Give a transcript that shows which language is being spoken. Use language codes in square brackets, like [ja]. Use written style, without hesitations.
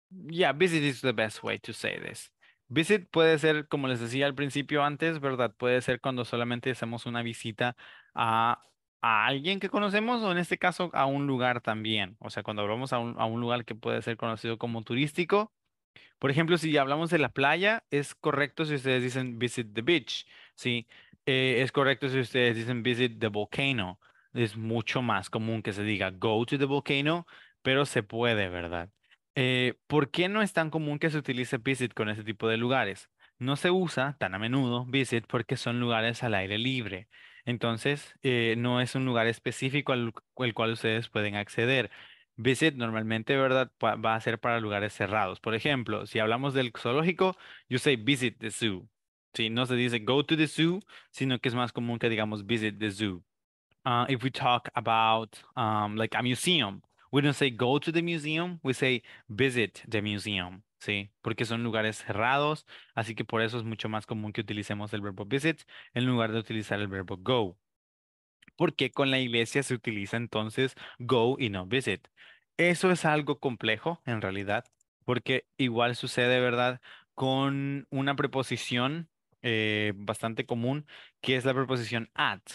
[en] Yeah, visit is the best way to say this. [es] Visit puede ser, como les decía al principio antes, ¿verdad? Puede ser cuando solamente hacemos una visita a alguien que conocemos, o en este caso a un lugar también. O sea, cuando hablamos a un lugar que puede ser conocido como turístico. Por ejemplo, si hablamos de la playa, es correcto si ustedes dicen [en] visit the beach, [es] ¿sí? Es correcto si ustedes dicen [en] visit the volcano. [es] Es mucho más común que se diga [en] go to the volcano, [es] pero se puede, ¿verdad? ¿Por qué no es tan común que se utilice visit con este tipo de lugares? No se usa tan a menudo visit porque son lugares al aire libre. Entonces, no es un lugar específico al cual ustedes pueden acceder. Visit normalmente, ¿verdad?, va a ser para lugares cerrados. Por ejemplo, si hablamos del zoológico, [en] you say visit the zoo. [es] ¿Sí? No se dice [en] go to the zoo, [es] sino que es más común que digamos [en] visit the zoo. If we talk about like a museum, we don't say go to the museum, we say visit the museum, [es] ¿sí? Porque son lugares cerrados, así que por eso es mucho más común que utilicemos el verbo visit en lugar de utilizar el verbo go. ¿Por qué con la iglesia se utiliza entonces go y no visit? Eso es algo complejo, en realidad, porque igual sucede, ¿verdad?, con una preposición bastante común, que es la preposición at.